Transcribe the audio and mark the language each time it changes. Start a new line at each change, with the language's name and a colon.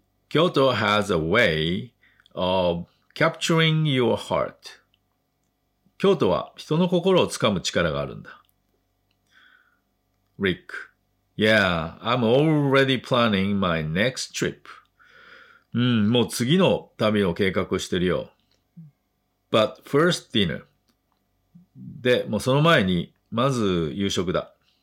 English: Kyoto has a way of capturing your heart.
Japanese: 京都は人の心をつかむ力があるんだ。
English: Rick, yeah, I'm already planning my next trip.
Japanese: もう次の旅を計画してるよ。
English: But first dinner.
Japanese: で、もうその前に、まず夕食だ。